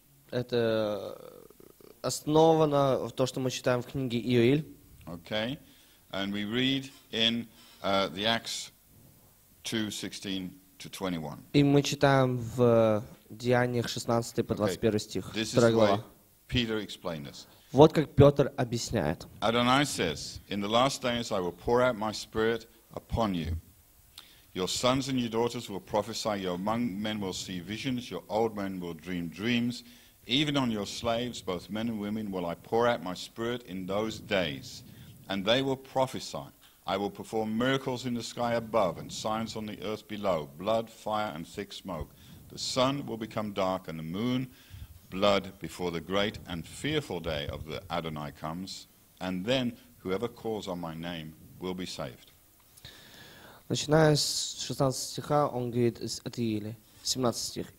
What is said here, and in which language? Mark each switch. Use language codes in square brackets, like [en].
[ru] Это основано в то, что мы читаем в книге Иоиль. [en] Okay, and we read in the Acts. 2:16-21. [ru] И мы читаем в Деяниях 16 по 21 стих. [en] This is why Peter explained this. [ru] Вот как Петр объясняет. [en] Adonai says, in the last days I will pour out my spirit upon you. Your sons and your daughters will prophesy, your young men will see visions, your old men will dream dreams. Even on your slaves, both men and women, will I pour out my spirit in those days, and they will prophesy. I will perform miracles in the sky above and signs on the earth below, blood, fire, and thick smoke. The sun will become dark and the moon blood before the great and fearful day of the Adonai comes, and then whoever calls on my name will be saved. [ru] Начиная с 16 стиха, он говорит, это Иеле, 17 стих.